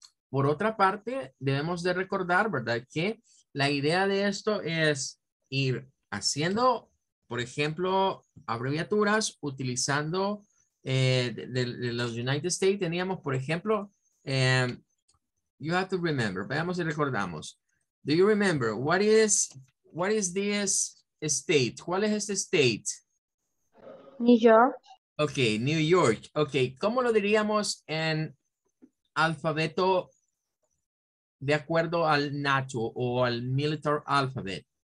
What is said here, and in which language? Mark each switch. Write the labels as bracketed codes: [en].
[es] Por otra parte, debemos de recordar, ¿verdad? Que la idea de esto es ir haciendo, por ejemplo, abreviaturas utilizando de los United States. Teníamos, por ejemplo, [en] you have to remember, [es] veamos y recordamos. [en] Do you remember, what is this state? [es] ¿Cuál es este state? [en] New York. Ok, New York. [es] Ok, ¿cómo lo diríamos en alfabeto de acuerdo al NATO o al military alphabet?